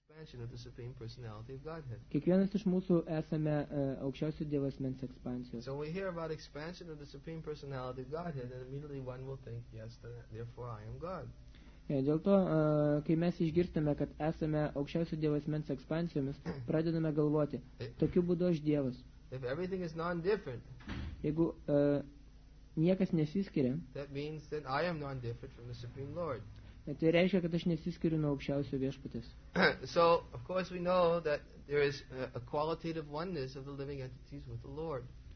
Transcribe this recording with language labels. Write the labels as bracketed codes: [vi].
[lt] Kiekvienas iš mūsų esame aukščiausio Dievo asmens ekspansijos. [en] So we hear about expansion of the supreme personality of Godhead, and immediately one will think, yes, therefore I am God. [lt] Ja, dėl to, kai mes išgirstame, kad esame aukščiausio Dievo asmens ekspansijomis, pradedame galvoti, tokiu būdu aš Dievas. [en] If everything is non-different, [lt] jeigu niekas nesiskiria, [en] that means that I am non-different from the supreme Lord. [lt] Tai reiškia, kad aš nesiskiriu nuo aukščiausio Viešpaties. [en] So, of course, we know that there is a qualitative oneness of the living entities with the Lord.